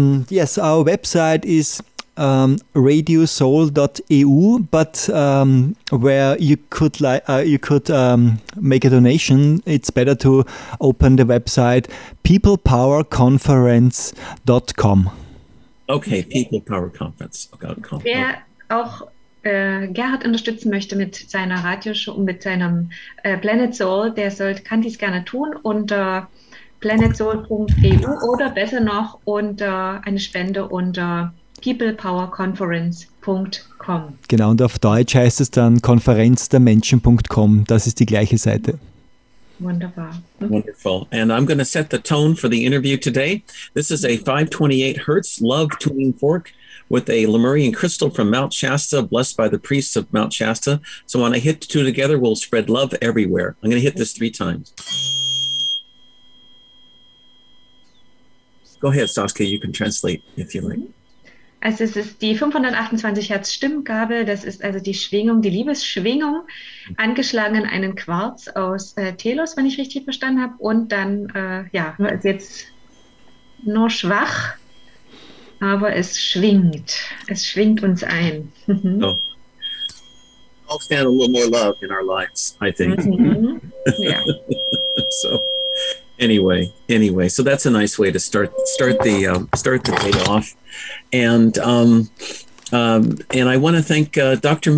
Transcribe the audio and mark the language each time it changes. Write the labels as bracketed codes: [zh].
[en] Yes, our website is radiosoul.eu, but where you could make a donation, it's better to open the website peoplepowerconference.com. Okay, peoplepowerconference.com. [de] Wer auch Gerhard unterstützen möchte mit seiner Radioshow und mit seinem Planet Soul, der kann dies gerne tun unter planetsoul.eu oder besser noch unter eine Spende unter peoplepowerconference.com. Genau, und auf Deutsch heißt es dann konferenzdermenschen.com. Das ist die gleiche Seite. Wunderbar. [en] Wonderful. And I'm going to set the tone for the interview today. This is a 528 Hertz Love Tuning Fork with a Lemurian crystal from Mount Shasta, blessed by the priests of Mount Shasta. So when I hit the two together, we'll spread love everywhere. I'm going to hit this three times. Go ahead, Saskia. You can translate if you like. [de] Also es ist die 528 Hertz Stimmgabel, das ist also die Schwingung, die Liebesschwingung, angeschlagen in einen Quarz aus Telos, wenn ich richtig verstanden habe. Und dann, jetzt nur schwach, aber es schwingt. Es schwingt uns ein. Oh. [en] I'll stand a little more love in our lives, I think. Yeah. So. Anyway, so that's a nice way to start the day off, and I want to thank Dr.